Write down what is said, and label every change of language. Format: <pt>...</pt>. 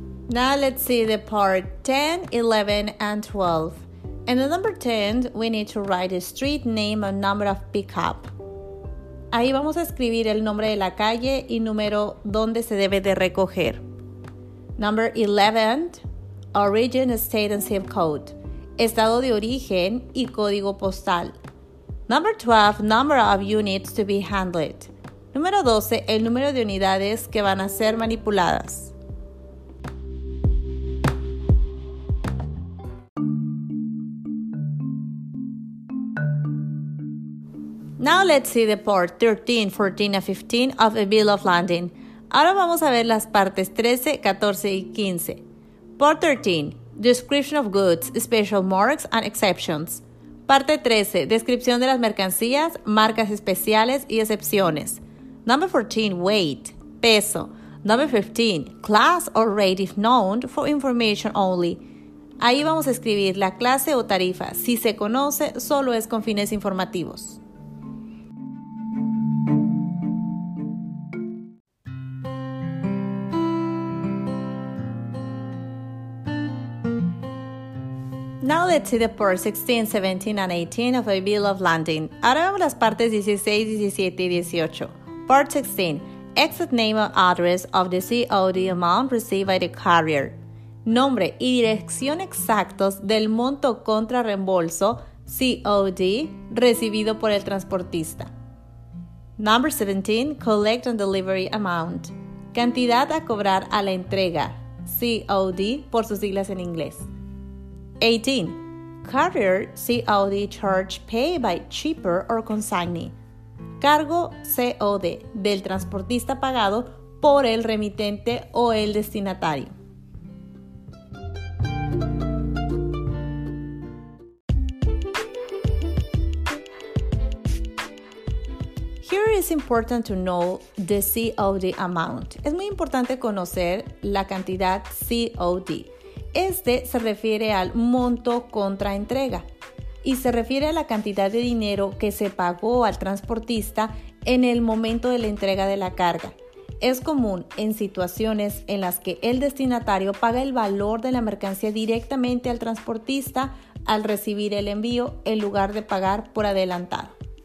<en>Now let's see the part 10, 11, and 12. In the number 10, we need to write the street name and number of pickup.</en> <es>Ahí vamos a escribir el nombre de la calle y número donde se debe de recoger.</es> <en>Number 11, origin, state, and zip code.</en> <es>Estado de origen y código postal.</es> <en>Number 12, number of units to be handled.</en> <es>Número 12, el número de unidades que van a ser manipuladas.</es> <en>Now let's see the part 13, 14, and 15 of a bill of lading.</en> <es>Ahora vamos a ver las partes 13, 14, y 15.</es> <en>Part 13, description of goods, special marks, and exceptions.</en> <es>Parte 13, descripción de las mercancías, marcas especiales y excepciones.</es> <en>Number 14, weight, peso. Number 15, class or rate if known for information only.</en> <es>Ahí vamos a escribir la clase o tarifa. Si se conoce, solo es con fines informativos.</es> <en>let's see the parts 16, 17, and 18 of A Bill of Landing.</en> <es>Ahora vemos las partes 16, 17 y 18.</es> <en>Part 16. Exit name and address of the COD amount received by the carrier.</en> <es>Nombre y dirección exactos del monto contra reembolso COD recibido por el transportista.</es> <en>Number 17. Collect and delivery amount.</en> <es>Cantidad a cobrar a la entrega, COD por sus siglas en inglés.</es> <en>18. Carrier COD charge paid by shipper or consignee.</en> <es>Cargo COD del transportista pagado por el remitente o el destinatario.</es> <en>Here is important to know the COD amount.</en> <es>Es muy importante conocer la cantidad COD. Este se refiere al monto contra entrega y se refiere a la cantidad de dinero que se pagó al transportista en el momento de la entrega de la carga. Es común en situaciones en las que el destinatario paga el valor de la mercancía directamente al transportista al recibir el envío en lugar de pagar por adelantado.</es>